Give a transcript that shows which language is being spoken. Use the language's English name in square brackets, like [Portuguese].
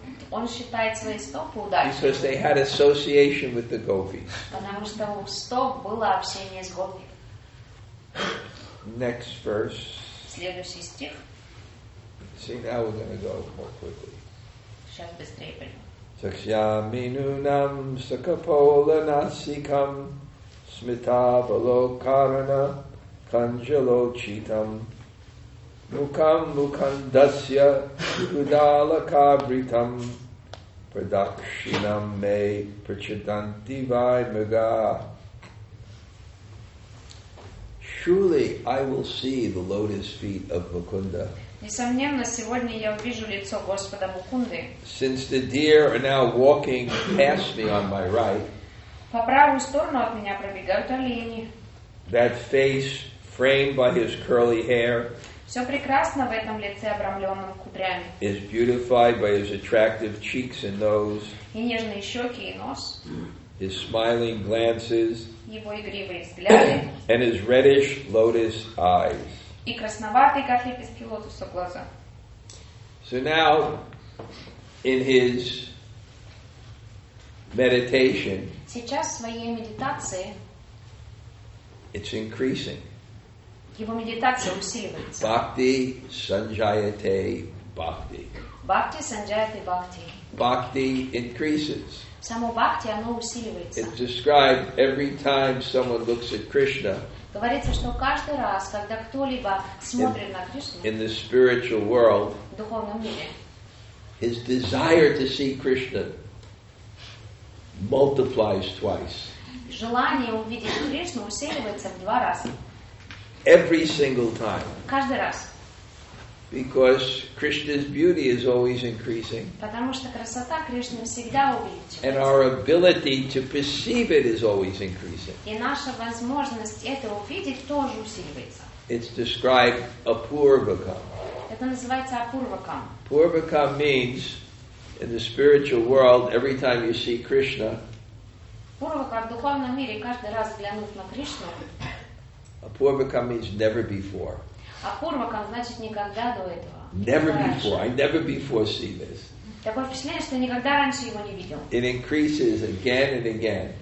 [Russian] Он считает свои стопы удачливыми. [English] Because they had association with the gopis. [Russian] Потому что у стоп было общение с гопи. [English] Next verse. [Russian] Следующий стих. [English] See, now we're going to go more quickly. [Russian] Сейчас быстрее пойдем. [Sanskrit] Сакшями нунам сакапола насикам смитабало карана канжало читам мукам мукандасья кудала кабритам прадакшинам ме прачаданти вай мага. [English] Surely I will see the lotus feet of Mukunda. [Russian] Несомненно, сегодня я увижу лицо Господа Мукунды. [English] Since the deer are now walking past me on my right. [Russian] По правую сторону от меня пробегают олени. [English] That face framed by his curly hair. [Russian] Все прекрасно в этом лице, обрамленном кудрями. [English] Is beautified by his attractive cheeks and nose. [Russian] И нежные щеки и нос. [English] His smiling glances. [Russian] Его игривые взгляды. [English] And his reddish lotus eyes. [Russian] И красноватые, как лепестки лотоса, глаза. [English] So now, in his meditation, [Russian] сейчас в своей медитации, [English] it's increasing. [Russian] Его медитация усиливается. [Sanskrit] Бхакти санджайате бхакти. Бхакти санджайате бхакти. [English] Бхакти increases. [Russian] Само бхакти, оно усиливается. [English] It's described every time someone looks at Krishna. [Russian] Говорится, что каждый раз, когда кто-либо смотрит на Кришну, [English] in the spiritual world, [Russian] в духовном мире, [English] his desire to see Krishna multiplies twice. [Russian] Желание увидеть Кришну усиливается в два раза. [English] Every single time. [Russian] Каждый раз. [English] Because Krishna's beauty is always increasing. [Russian] Потому что красота Кришны всегда увеличивается. [English] And our ability to perceive it is always increasing. [Russian] И наша возможность это увидеть тоже усиливается. [English] It's described apurvakam. [Russian] Это называется апурвакам. [English] Apurvakam means in the spiritual world every time you see Krishna. [Russian] Апурвака в духовном мире каждый раз взглянув на Кришну. [English] Apurvakam means never before. [Russian] Апурвакам значит никогда до этого. [English] Never before. I never before see this. [Russian] Такое впечатление, что никогда раньше его не видел. [English] It increases again and again.